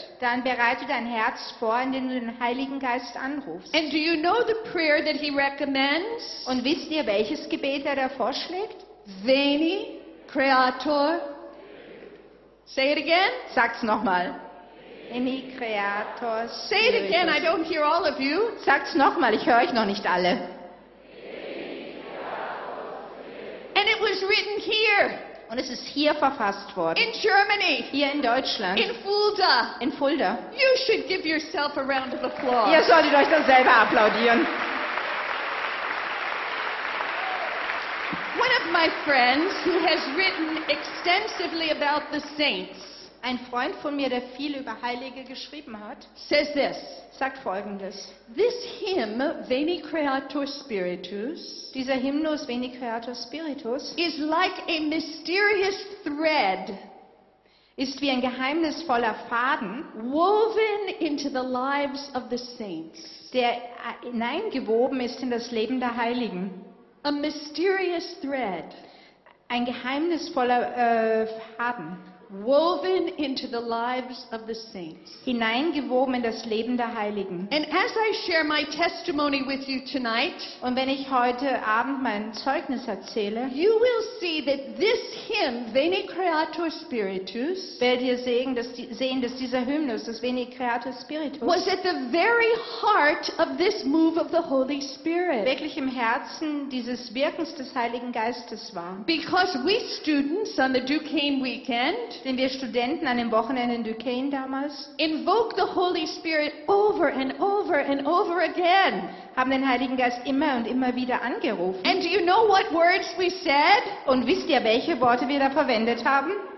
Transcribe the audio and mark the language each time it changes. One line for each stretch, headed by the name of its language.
German: Dann bereite dein Herz vor, indem du den Heiligen Geist anrufst.
English: And do you know the prayer that he recommends?
German: Und wisst ihr, welches Gebet er da vorschlägt?
English: Veni Creator. Say it again.
German: Sag's nochmal. Veni Creator.
English: Say it again. I don't hear all of you.
German: Sag's nochmal. Ich höre euch noch nicht alle.
English: And it was written here.
German: Und es ist hier verfasst worden.
English: In Germany.
German: Hier in Deutschland.
English: In Fulda.
German: In Fulda.
English: You should give yourself a round of applause.
German: Ihr solltet euch dann selber applaudieren.
English: One of my friends who has written extensively about the saints.
German: Ein Freund von mir, der viel über Heilige geschrieben hat,
English: says this.
German: Sagt Folgendes.
English: This hymn, Veni Creator Spiritus,
German: dieser Hymnus Veni Creator Spiritus,
English: is like a mysterious thread,
German: ist wie ein geheimnisvoller Faden,
English: woven into the lives of the saints,
German: der hineingewoben ist in das Leben der Heiligen.
English: A mysterious thread,
German: ein geheimnisvoller Faden.
English: Woven into the lives of the saints.
German: Hineingewoben in das Leben der Heiligen.
English: And as I share my testimony with you tonight,
German: und wenn ich heute Abend mein Zeugnis erzähle,
English: you will see that this hymn, Veni Creator Spiritus,
German: werdet ihr sehen, dass dieser Hymnus, das Veni Creator Spiritus,
English: was at the very heart of this move of the Holy Spirit.
German: Wirklich im Herzen dieses Wirkens des Heiligen Geistes war.
English: Because we students on the Duquesne weekend,
German: sind wir Studenten an dem Wochenende in Duquesne damals,
English: invoke the Holy Spirit over and over and over again,
German: haben den Heiligen Geist immer und immer wieder angerufen.
English: And do you know what words we said?
German: Und wisst ihr, welche Worte wir da verwendet haben?